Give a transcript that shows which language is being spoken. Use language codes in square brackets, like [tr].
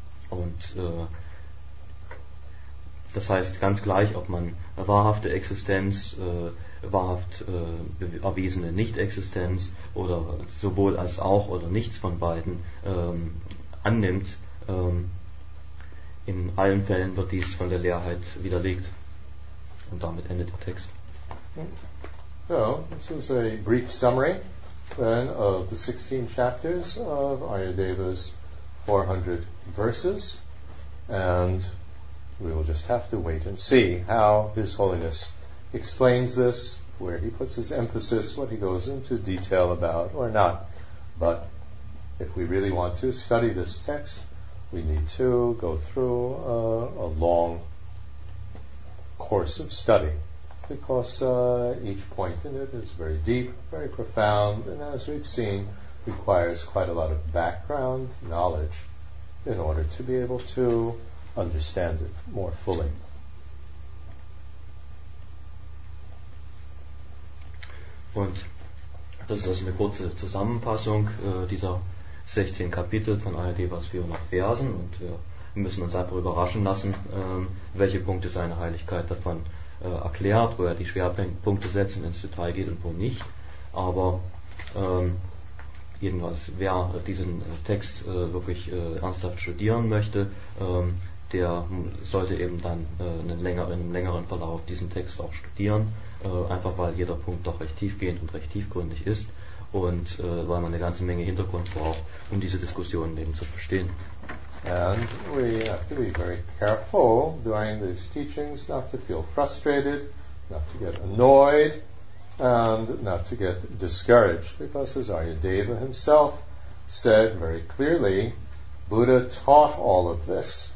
[de] Und das heißt, ganz gleich, ob man wahrhafte Existenz, wahrhaft erwiesene Nicht-Existenz oder sowohl als auch oder nichts von beiden annimmt, in allen Fällen wird dies von der Leerheit widerlegt. Und damit endet der Text. [en] So, this is a brief summary then of the 16 chapters of Ayadeva's 400 verses, and we will just have to wait and see how His Holiness explains this, where He puts His emphasis, what He goes into detail about or not. But if we really want to study this text, we need to go through a long course of study, because each point in it is very deep, very profound, and as we've seen, requires quite a lot of background knowledge in order to be able to understand it more fully. [de] Und das ist eine kurze Zusammenfassung dieser 16 Kapitel von Ayadevas 400 Versen, und wir müssen uns einfach überraschen lassen, welche Punkte seine Heiligkeit davon erklärt, wo er die Schwerpunkte setzt und ins Detail geht und wo nicht. Aber jedenfalls, wer diesen Text wirklich ernsthaft studieren möchte, der sollte eben dann in einem längeren Verlauf diesen Text auch studieren, einfach weil jeder Punkt doch recht tiefgehend und recht tiefgründig ist, und weil man eine ganze Menge Hintergrund braucht, um diese Diskussion eben zu verstehen. [en] And we have to be very careful during these teachings not to feel frustrated, not to get annoyed, and not to get discouraged, because as Ayadeva himself said very clearly, Buddha taught all of this.